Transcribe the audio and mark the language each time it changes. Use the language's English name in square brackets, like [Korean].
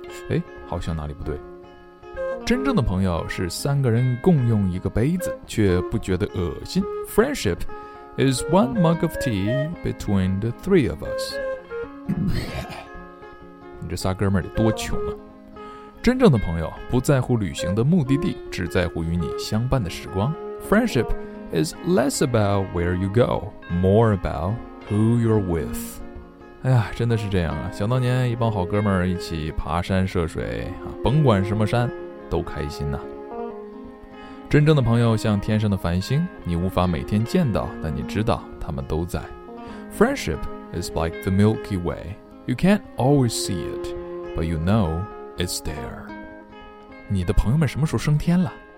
[Chinese] 哎，好像哪里不对。真正的朋友是三个人共用一个杯子却不觉得恶心。 [English] Friendship is one mug of tea between the three of us。 [Chinese] 你这仨哥们儿得多穷啊。真正的朋友不在乎旅行的目的地，只在乎与你相伴的时光。 [English] Friendship is less about where you go, more about who you're with。 [Chinese] 哎呀，真的是这样啊，想当年一帮好哥们儿一起爬山涉水啊，甭管什么山都开心啊。真正的朋友像天上的繁星，你无法每天见到，但你知道他们都在。 [English] Friendship is like the Milky Way, you can't always see it, but you knowIt's there。 [Chinese] 你的朋友们什么时候升天了？